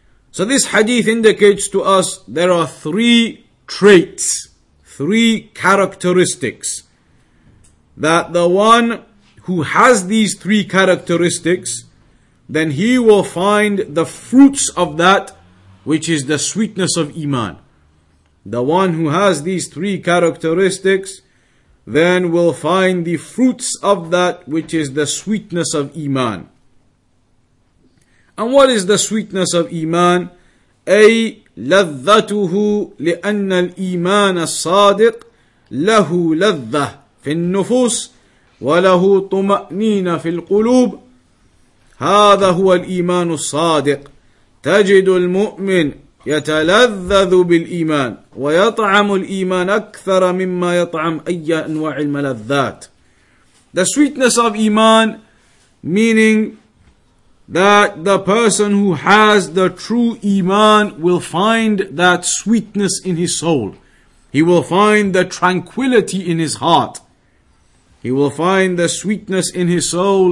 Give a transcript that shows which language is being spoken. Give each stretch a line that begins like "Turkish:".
English: So this hadith indicates to us there are three traits, three characteristics, that the one who has these three characteristics, then he will find the fruits of that which is the sweetness of iman. The one who has these three characteristics then we'll find the fruits of that which is the sweetness of iman. And what is the sweetness of iman?
Arabic: أي لذته لأن الإيمان الصادق له لذة في النفوس وله طمأنينة في القلوب. هذا هو الإيمان الصادق. تجد المؤمن يتلذذ بالإيمان ويطعم الإيمان أكثر مما يطعم أي أنواع الملذات.
English: The sweetness of iman, meaning that the person who has the true iman will find that sweetness in his soul. He will find the tranquility in his heart. He will find the sweetness in his soul.